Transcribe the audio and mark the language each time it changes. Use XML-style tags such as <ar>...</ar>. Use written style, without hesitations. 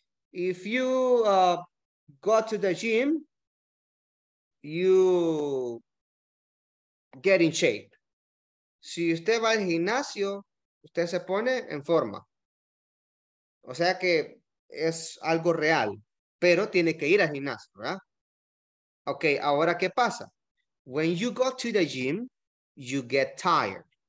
<en>If you go to the gym, you get in shape.</en> <es>Si usted va al gimnasio, usted se pone en forma. O sea que es algo real, pero tiene que ir al gimnasio, ¿verdad? Ok, ahora, ¿qué pasa?</es> <en>When you go to the gym, you get tired.</en>